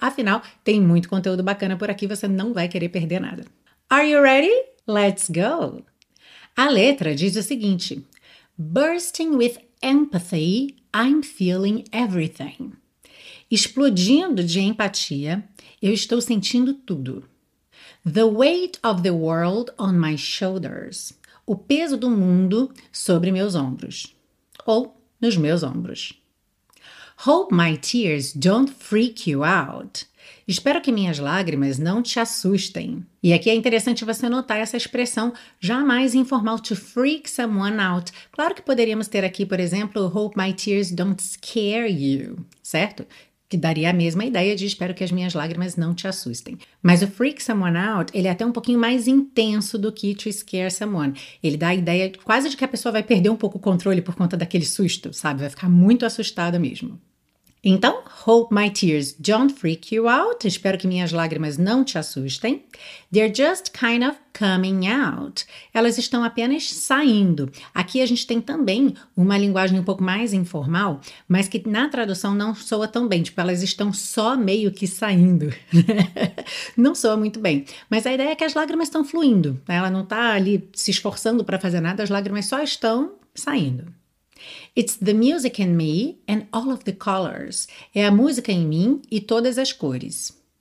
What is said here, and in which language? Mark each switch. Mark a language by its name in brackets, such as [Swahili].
[Portuguese] Afinal, tem muito conteúdo bacana por aqui, você não vai querer perder nada. [English] Are you ready? Let's go! [Portuguese] A letra diz o seguinte: [English] Bursting with empathy, I'm feeling everything. [Portuguese] Explodindo de empatia, eu estou sentindo tudo. [English] The weight of the world on my shoulders. [Portuguese] O peso do mundo sobre meus ombros. Ou nos meus ombros. [English] Hope my tears don't freak you out. [Portuguese] Espero que minhas lágrimas não te assustem. E aqui é interessante você notar essa expressão jamais informal, [English] to freak someone out. [Portuguese] Claro que poderíamos ter aqui, por exemplo, [English] hope my tears don't scare you. [Portuguese] Certo? Que daria a mesma ideia de espero que as minhas lágrimas não te assustem. Mas o freak someone out, ele é até um pouquinho mais intenso do que to scare someone. Ele dá a ideia quase de que a pessoa vai perder um pouco o controle por conta daquele susto, sabe? Vai ficar muito assustada mesmo. Então, [English] hope my tears don't freak you out. [Portuguese] Espero que minhas lágrimas não te assustem. [English] They're just kind of coming out. [Portuguese] Elas estão apenas saindo. Aqui a gente tem também uma linguagem um pouco mais informal, mas que na tradução não soa tão bem. Tipo, elas estão só meio que saindo. Não soa muito bem. Mas a ideia é que as lágrimas estão fluindo. Ela não está ali se esforçando para fazer nada. As lágrimas só estão saindo. [English] It's the music in me and all of the colors. [Portuguese] É a música em mim e todas as cores.